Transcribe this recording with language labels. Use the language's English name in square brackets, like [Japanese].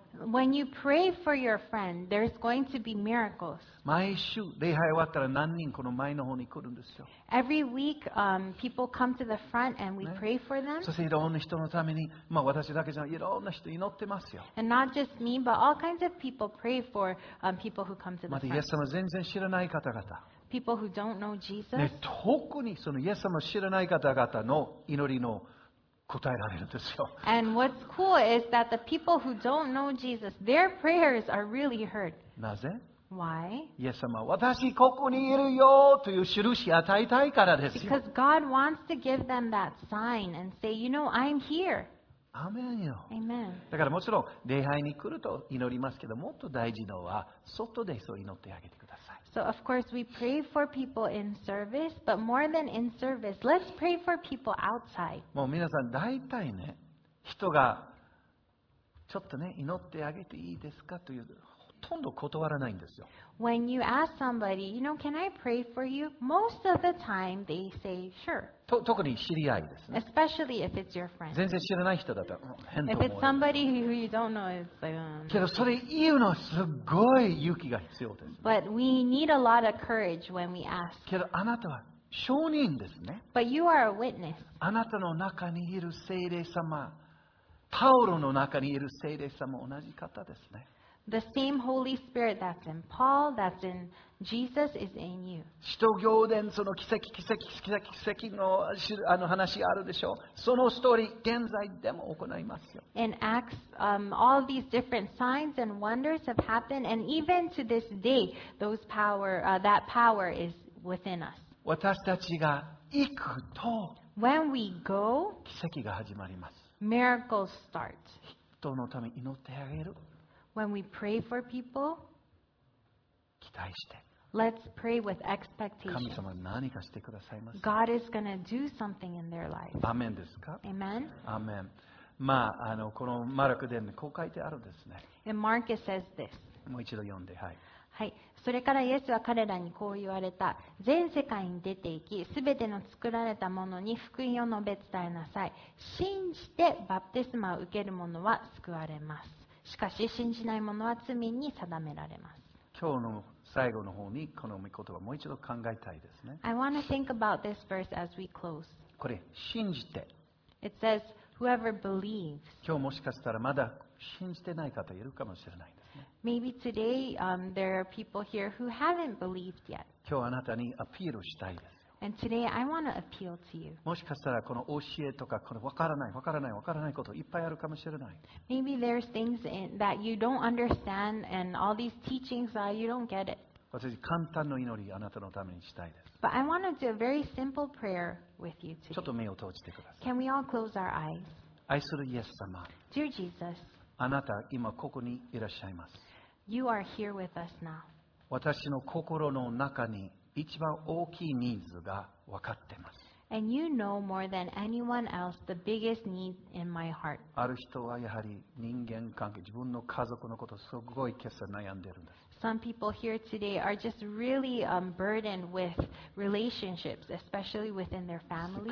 [English] When you pray for your friend, there's going to be miracles. [Japanese] 毎週礼拝終わったら何人この前の方に来るんですよ。 [English] Every week, people come to the front and we pray for them. [Japanese] そしていろんな人のために、まあ私だけじゃない、いろんな人祈ってますよ。 [English] And not just me, but all kinds of people pray for people who come to the front. [Japanese] またイエス様全然知らない方々。 [English] People who don't know Jesus. [Japanese] ね、特にそのイエス様を知らない方々の祈りの答えられるんですよ。 [English] And what's cool is that the people who don't know Jesus, their prayers are really heard. [Japanese] なぜ？ [English] Why? [Japanese] イエス様、私ここにいるよという印を与えたいからですよ。 [English] Because God wants to give them that sign and say, you know, I'm here. [Japanese] アメンよ。 [English] Amen. [Japanese] だからもちろん礼拝に来ると祈りますけど、もっと大事なのは外でそう祈ってあげてください。 [English] So of course we pray for people in service, but more than in service, let's pray for people outside. [Japanese] もう皆さん大体ね、人がちょっとね祈ってあげていいですかというほとんど断らないんですよ。 [English] When you ask somebody, you know, can I pray for you? Most of the time, they say, sure. [Japanese] 特に知り合いですね。 [English] Especially if it's your friend. [Japanese] 全然知らない人だったら、変と思う。 [English] If it's somebody who you don't know, it's like, [Japanese] けどそれ言うのはすごい勇気が必要です、ね。 [English] But we need a lot of courage when we ask. [Japanese] けどあなたは証人ですね。 [English] But you are a witness. [Japanese] あなたの中にいる聖霊様、パウロの中にいる聖霊様も同じ方ですね。 [English] The same Holy Spirit that's in Paul, that's in Jesus, is in you. [Japanese] 使徒行伝その奇跡奇跡奇跡奇跡のあの話あるでしょう。そのストーリー現在でも行いますよ。 [English] In Acts, all these different signs and wonders have happened, and even to this day, those power, that power is within us. [Japanese] 私たちが行くと、 [English] When we go, [Japanese] 奇跡が始まります。 [English] Miracles start. [Japanese] 人のために祈ってあげる。 [English] When we pray for people, [Japanese] 期待して。 [English] Let's pray with expectation. [Japanese] 神様何かしてくださいます。 [English] God is gonna do something in their life. [Japanese] アメンですか？ [English] Amen. Amen. [Japanese] まあ、あの、このマルコでこう書いてあるんですね。 [English] In Mark it says this. [Japanese] もう一度読んで、はい。はい。それからイエスは彼らにこう言われた。全世界に出て行き、すべての作られたものに福音を述べ伝えなさい。信じてバプテスマを受ける者は救われます。しかし信じない者は罪に定められます。今日の最後の方にこの御言葉をもう一度考えたいですね。 [English] I want to think about this verse as we close. [Japanese] これ信じて。 [English] It says whoever believes. [Japanese] 今日もしかしたらまだ信じてない方いるかもしれないですね。 [English] Maybe today, there are people here who haven't believed yet. [Japanese] 今日あなたにアピールしたいです。 [English] And today I want to appeal to you. [Japanese] もしかしたらこの教えとかこの分からない分からない分からないこといっぱいあるかもしれない。 [English] Maybe there's things that you don't understand and all these teachings that you don't get it. [Japanese] 私簡単の祈りあなたのためにしたいです。 [English] But I want to do a very simple prayer with you today. [Japanese] ちょっと目を閉じてください。 [English] Can we all close our eyes? [Japanese] 愛するイエス様。 [English] Dear Jesus. [Japanese] あなた今ここにいらっしゃいます。 [English] You are here with us now. [Japanese] 私の心の中に一番大きいニーズが分かってます。 [English] And you know more than anyone else the biggest need in my heart. [Japanese] ある人はやはり人間関係、自分の家族のことすごい今朝悩んでるんです。 [English] Some people here today are just really burdened with relationships, especially within their family.